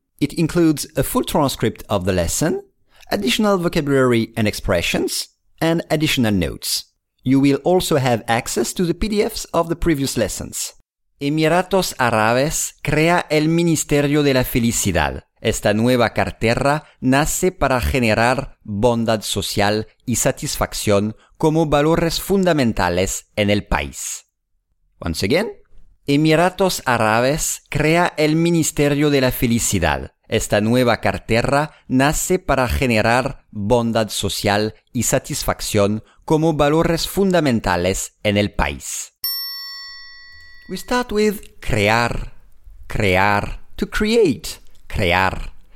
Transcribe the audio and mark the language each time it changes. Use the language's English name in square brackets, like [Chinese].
[English] It includes a full transcript of the lesson, additional vocabulary and expressions, and additional notes. You will also have access to the PDFs of the previous lessons. [Spanish] Emiratos Árabes crea el Ministerio de la Felicidad. Esta nueva cartera nace para generar bondad social y satisfacción como valores fundamentales en el país. [English] Once again. [Spanish] Emiratos Árabes crea el Ministerio de la Felicidad. Esta nueva cartera nace para generar bondad social y satisfacción como valores fundamentales en el país. [English] We start with crear, crear, to create, crear.